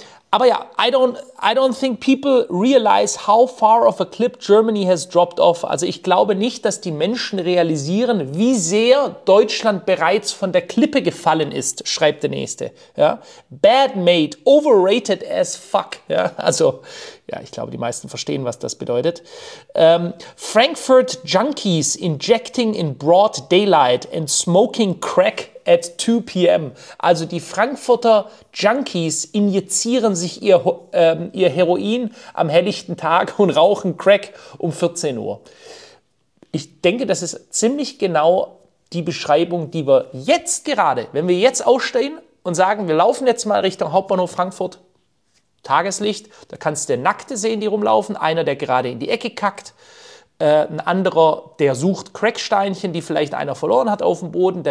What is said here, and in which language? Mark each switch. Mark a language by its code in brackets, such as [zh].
[de] Aber ja, [en] I don't think people realize how far of a clip Germany has dropped off. [de] Also ich glaube nicht, dass die Menschen realisieren, wie sehr Deutschland bereits von der Klippe gefallen ist, schreibt der Nächste. Ja? [en] Bad mate, overrated as fuck. [de] Ja? Also ja, ich glaube, die meisten verstehen, was das bedeutet. [en] Frankfurt Junkies injecting in broad daylight and smoking crack at 2 p.m. [de] Also die Frankfurter Junkies injizieren sich ihr Heroin am helllichten Tag und rauchen Crack um 14 Uhr. Ich denke, das ist ziemlich genau die Beschreibung, die wir jetzt gerade, wenn wir jetzt ausstehen und sagen, wir laufen jetzt mal Richtung Hauptbahnhof Frankfurt, Tageslicht, da kannst du Nackte sehen, die rumlaufen, einer, der gerade in die Ecke kackt, ein anderer, der sucht Cracksteinchen, die vielleicht einer verloren hat auf dem Boden.